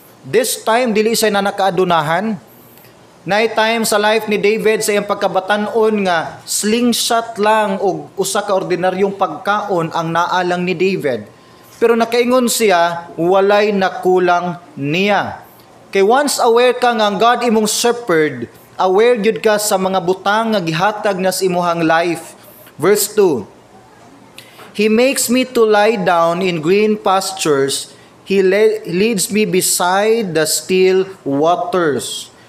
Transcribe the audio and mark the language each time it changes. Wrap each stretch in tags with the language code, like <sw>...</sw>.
<en>This time,</en> <ceb>dili siya nanakaadunahan. Night time sa life ni David, sa iyong pagkabatanon nga, slingshot lang o usa ka ordinaryong pagkaon ang naalang ni David. Pero nakaingon siya, walay nakulang niya. Kay once aware ka nga ang God imong shepherd, aware yun ka sa mga butang nga gihatag na sa imuhang life.</ceb> <en>Verse 2, "He makes me to lie down in green pastures. He leads me beside the still waters."</en>